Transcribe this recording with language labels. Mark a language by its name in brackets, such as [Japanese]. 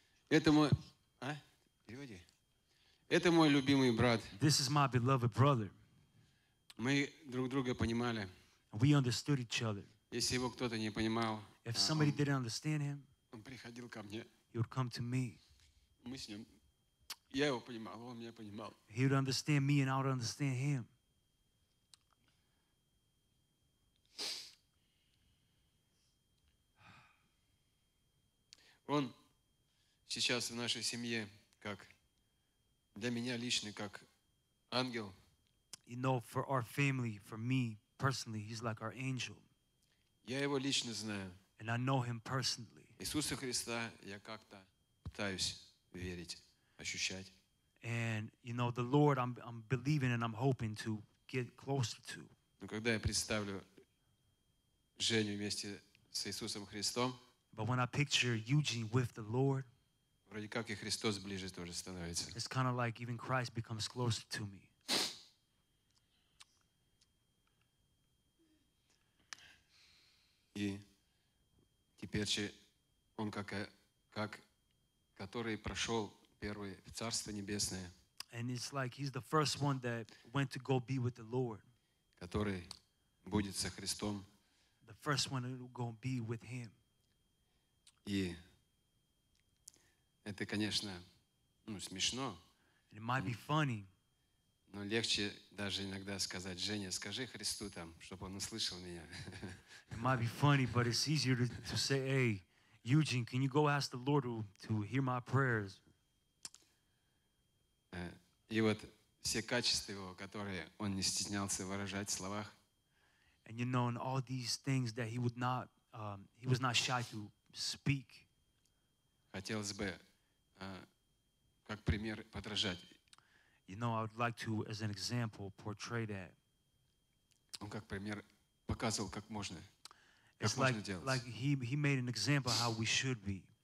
[Russian] это мой... А? Переводи. Это мой любимый брат. [English] This is my beloved brother. [Russian] Мы друг друга понимали. [English] We understood each other. [Russian] Если его кто-то не понимал, [English] if somebody didn't understand him, [Russian] он приходил ко мне. [English] He would come to me. [Russian] Мы с ним, я его понимал, он меня понимал. [English] He would understand me and I would understand him. [Russian] Он сейчас в нашей семье как для меня лично как ангел. [English] You know, for our family, for me personally, he's like our angel. [Russian] Я его лично знаю. [English] And I know him personally. [Russian] Иисуса Христа я как-то пытаюсь верить, ощущать. [English] And you know, the Lord, I'm believing and I'm hoping to get closer to. [Russian] Но когда я представлю Женю вместе с Иисусом Христом. [English] But when I picture Eugene with the Lord, [Russian] вроде как и Христос ближе тоже становится. [English] It's kind of like even Christ becomes closer to me. [Russian] И теперь же он как который прошел первый в Царство Небесное. [English] And it's like he's the first one that went to go be with the Lord. [Russian] Который будет со Христом. [English] The first one that will go be with him. [Russian] И это, конечно, смешно. [English] It might be funny. [Russian] Но легче даже иногда сказать: Женя, скажи Христу там, чтобы он услышал меня. [English] It might be funny, but it's easier to say, hey, Eugene, can you go ask the Lord to hear my prayers? [Russian] И вот все качества его, которые он не стеснялся выражать в словах. [English] And you know, and all these things that he would not, he was not shy to speak. [Russian] Хотелось бы как пример подражать. [English] You know, I would like to, as an example, portray that. [Russian] Он как пример показывал, как можно, как можно делать. [English] Like he made an example how we should be.